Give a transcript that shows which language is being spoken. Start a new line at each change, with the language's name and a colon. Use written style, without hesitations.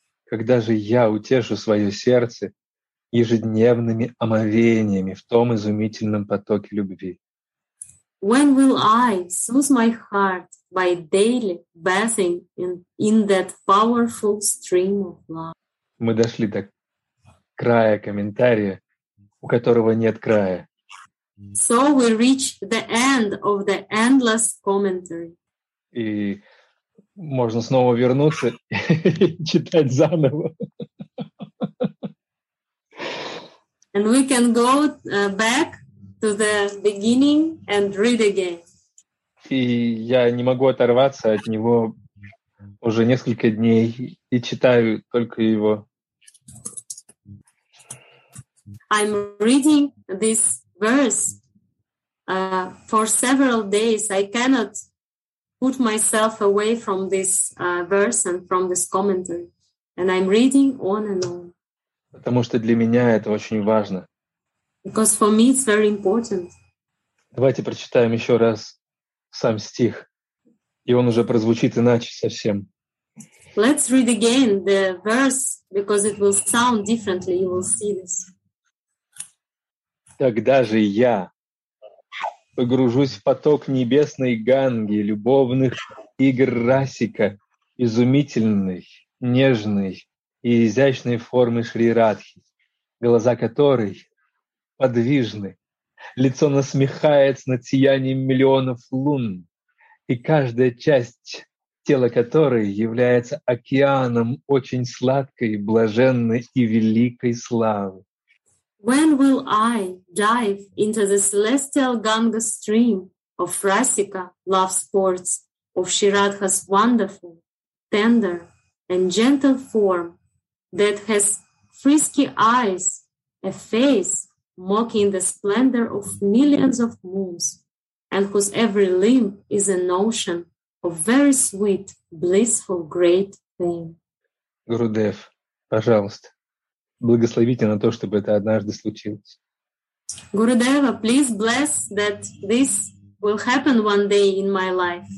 Russian: Когда же я утешу свое сердце ежедневными омовениями в том изумительном потоке любви?
English: When will I soothe my heart by daily bathing in that powerful stream of love?
Russian: Мы дошли до края комментария, у которого нет края.
English: So we reach the end of the endless commentary.
Russian: И можно снова вернуться и читать заново.
English: And we can go back to the beginning and read again.
Russian: И я не могу оторваться от него уже несколько дней и читаю только его.
English: I'm reading this verse for several days. I cannot put myself away from this verse and from this commentary. And I'm reading on and on.
Russian: Потому что для меня это очень важно.
English: Because for me it's very important.
Russian: Давайте прочитаем еще раз сам стих. И он уже прозвучит иначе совсем.
English: Let's read again the verse because it will sound differently. You will see this.
Russian: Когда же я погружусь в поток небесной Ганги, любовных игр Расика, изумительной, нежной и изящной формы Шри Радхи, глаза которой подвижны, лицо насмехается над сиянием миллионов лун, и каждая часть тела которой является океаном очень сладкой, блаженной и великой славы.
English: When will I dive into the celestial Ganga stream of Rasika, love sports, of Shiradha's wonderful, tender, and gentle form that has frisky eyes, a face mocking the splendor of millions of moons, and whose every limb is an ocean of very sweet, blissful, great fame?
Russian: Gurudev, пожалуйста. Благословите на то, чтобы это однажды случилось.
English: Gurudeva, please bless that this will happen one day in my life.